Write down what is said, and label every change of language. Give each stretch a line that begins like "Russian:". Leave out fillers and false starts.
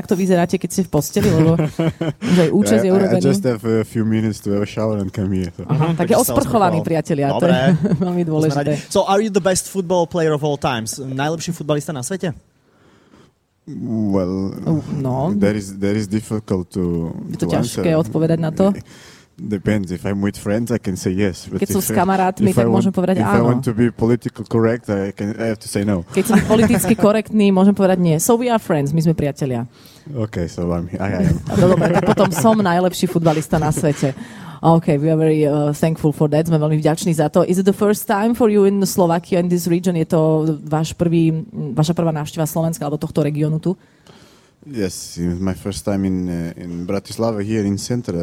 Slovak: Tak to vyzeráte, keď ste v posteli, lebo že účasť je urobený.
English: I just have a few minutes to have a shower and come here.
Slovak: So. Aha, tak je osprchovaný, priatelia. Dobre. To je veľmi dôležité.
English: So are you the best football player of all times?
Slovak: Najlepší futbalista na svete?
English: Well, no. There is difficult to
Slovak: je to ťažké odpovedať na to.
English: Depends. If I'm with friends, I can say yes.
Slovak: But keď som s kamarátmi, tak môžem povedať áno.
English: If I want to be politically correct, I have to say no.
Slovak: Keď som politicky korektný, môžem povedať nie.
English: So we are friends.
Slovak: My sme priatelia.
English: Okay, so I'm here. I am.
Slovak: No, dobre, tak potom som najlepší futbalista na svete.
English: Okay, we are very thankful for that.
Slovak: Sme veľmi vďační za to.
English: Is it the first time for you in Slovakia, in this region?
Slovak: Je to vaša prvá návšteva Slovenska alebo tohto regiónu tu?
English: Yes, it's my first time in Bratislava, here in center.